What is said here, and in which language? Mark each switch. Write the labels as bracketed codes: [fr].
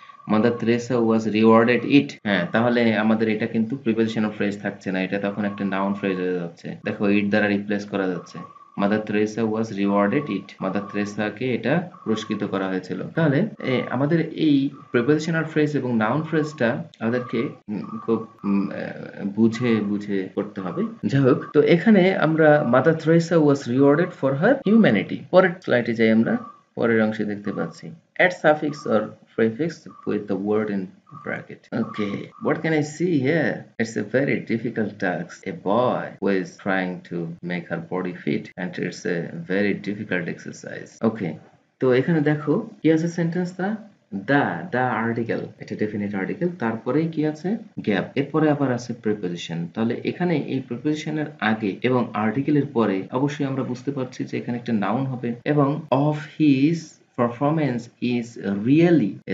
[en] Mother Teresa was rewarded it [bn] হ্যাঁ তাহলে আমাদের এটা কিন্তু প্রিপজিশনাল ফ্রেজ থাকছে না এটা তখন একটা নাউন ফ্রেজ হয়ে যাচ্ছে দেখো ইট দ্বারা রিপ্লেস করা যাচ্ছে মাদার থ্রেসা ওয়াজ রিওয়ার্ডেড ইট মাদার থ্রেসাকে এটা পুরস্কৃত করা হয়েছিল তাহলে আমাদের এই প্রিপজিশনাল ফ্রেজ এবং নাউন ফ্রেজটা আমাদেরকে খুব বুঝে বুঝে করতে হবে যাই হোক তো এখানে আমরা [en] Mother Teresa was rewarded for her humanity [bn] পরের স্লাইডে যাই আমরা পরের অংশে দেখতে পাচ্ছি [en] Add suffix or prefix with the word in bracket. Okay, what can I see here? It's a very difficult task. A boy who is trying to make her body fit and it's a very difficult exercise. [bn] Okay, so এখানে দেখো কি আছে sentence টা? [en] The article. It's a definite article. [bn] তারপরে কি আছে? [en] Gap. [bn] এরপরে আবার আছে preposition. তাহলে এখানে এই preposition এর আগে এবং article এর পরে অবশ্যই আমরা বুঝতে পারছি যে এখানে একটা noun হবে এবং [en] of his performance is really